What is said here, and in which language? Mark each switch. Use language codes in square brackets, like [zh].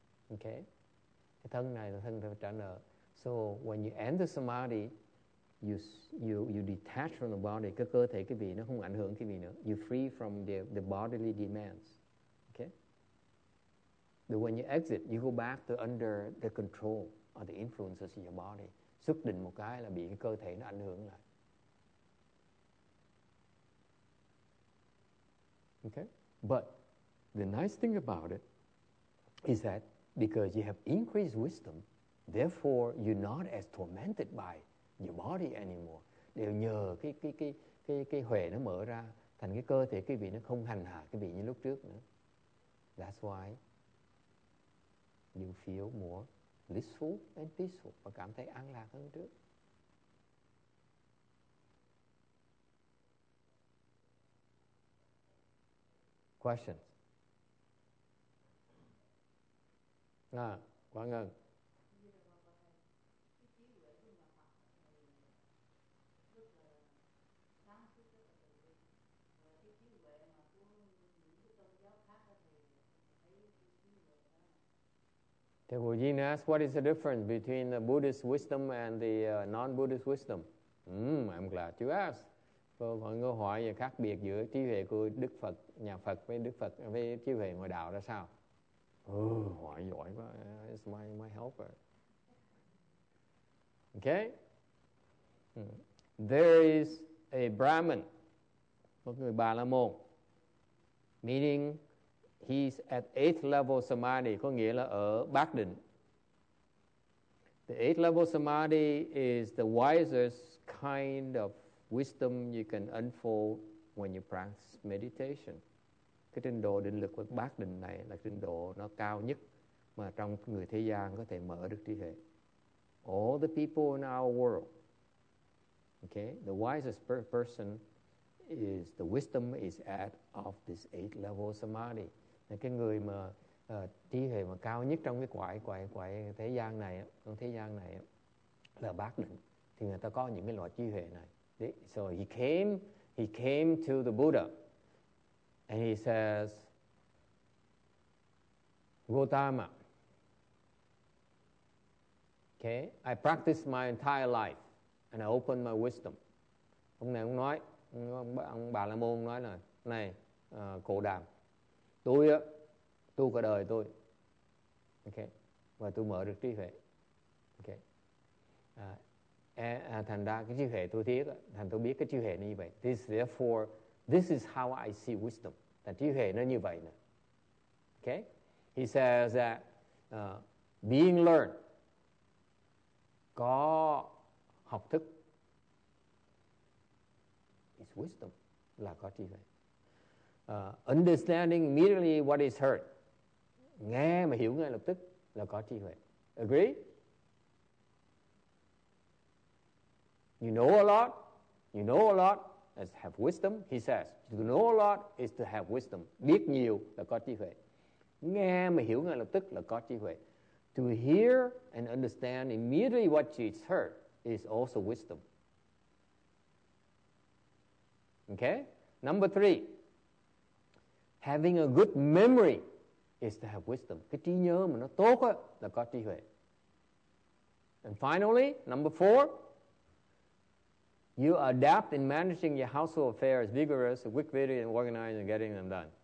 [en] Okay? [vi] Cái thân này là thân để trả nợ. [en] So when you enter samadhi, You detach from the body, [vi] cái cơ thể cái vị nó không ảnh hưởng cái vị nữa. [en] You free from the bodily demands, okay? But when you exit, you go back to under the control or the influences of your body. [vi] Xuất định một cái là bị cái cơ thể nó ảnh hưởng lại. [en] Okay? But the nice thing about it is that because you have increased wisdom, therefore you're not as tormented by your body anymore. [vi] Đều nhờ cái huệ nó mở ra thành cái cơ thể cái vị nó không hành hạ cái vị như lúc trước nữa. [en] That's why you feel more blissful and peaceful [vi] và cảm thấy an lạc hơn trước. [en] Questions? [vi] À, Quang Ngân. [en] Thevo Jin asks, what is the difference between the Buddhist wisdom and the non-Buddhist wisdom? I'm glad you asked. [vi] Mọi người hỏi về khác biệt giữa trí huệ của Đức Phật, nhà Phật với Đức Phật với trí huệ ngoài đạo ra sao? Hỏi giỏi quá. [en] It's my helper. Okay. There is a Brahmin, [vi] một người Bà La Môn, [en] meaning he's at eighth level samadhi, [vi] có nghĩa là ở bát định. [en] The eighth level samadhi is the wisest kind of wisdom you can unfold when you practice meditation. [vi] Cái trình độ định lực của bát định này là trình độ nó cao nhất mà trong người thế gian có thể mở được trí huệ. [en] All the people in our world, okay, the wisest person is the wisdom is at of this eight level samadhi. [vi] Cái người mà trí huệ mà cao nhất trong cái quải thế gian này, trong thế gian này là bát định, thì người ta có những cái loại trí huệ này. [en] So he came to the Buddha and he says, Gautama, okay, I practiced my entire life and I opened my wisdom. [vi] Ông này ông nói, ông Bà La Môn nói là, này, Cổ Đàm, tôi á, tu cả đời tôi, okay, và tôi mở được trí huệ, okay, thành ra cái trí huệ tôi thiết, thành tôi biết cái trí huệ như vậy. [en] This therefore, this is how I see wisdom. [vi] Là trí huệ nó như vậy nè, okay. [en] He says that being learned, [vi] có học thức, [en] is wisdom, [vi] là có trí huệ. [en] Understanding immediately what is heard, [vi] nghe mà hiểu ngay lập tức là có trí huệ. [en] Agree? You know a lot is have wisdom, he says. To know a lot is to have wisdom. [vi] Biết nhiều là có trí huệ. Nghe mà hiểu ngay lập tức là có trí huệ. [en] To hear and understand immediately what is heard is also wisdom. Okay? Number three. Having a good memory is to have wisdom. [vi] Cái trí nhớ mà nó tốt á, là có trí huệ. [en] And finally, number four. You adapt in managing your household affairs vigorous, quick, very, and organized and getting them done.